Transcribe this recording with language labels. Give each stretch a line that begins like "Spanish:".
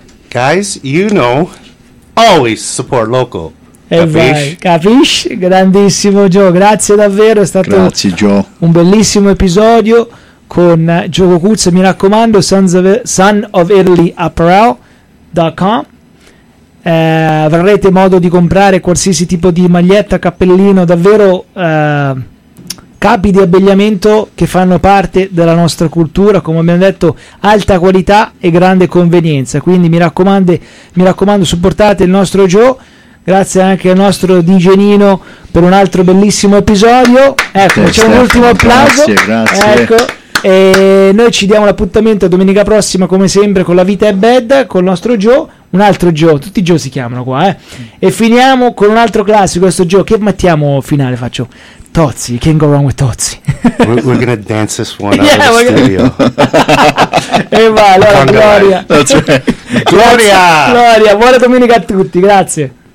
English: Guys, you know, always support local.
Italian: Capisci? Grandissimo, Joe. Grazie davvero. È stato un bellissimo episodio con Joe Cocuzza. Mi raccomando, sonofitalyapparel.com. Avrete modo di comprare qualsiasi tipo di maglietta, cappellino, davvero capi di abbigliamento che fanno parte della nostra cultura, come abbiamo detto, alta qualità e grande convenienza. Quindi mi raccomando, supportate il nostro Joe. Grazie anche al nostro DJ Nino per un altro bellissimo episodio. Ecco, c'è un ultimo applauso. Grazie. Ecco. E noi ci diamo l'appuntamento domenica prossima, come sempre, con La Vita è Bad, con il nostro Joe, un altro Joe, tutti Joe si chiamano qua, E finiamo con un altro classico, questo Joe, che mattiamo finale faccio?
English: Tozzi, can't go wrong with Tozzi. We're gonna dance this one out of the studio.
Italian: E vai, allora, Gloria.
English: That's right.
Italian: Gloria! Gloria, buona domenica a tutti, grazie.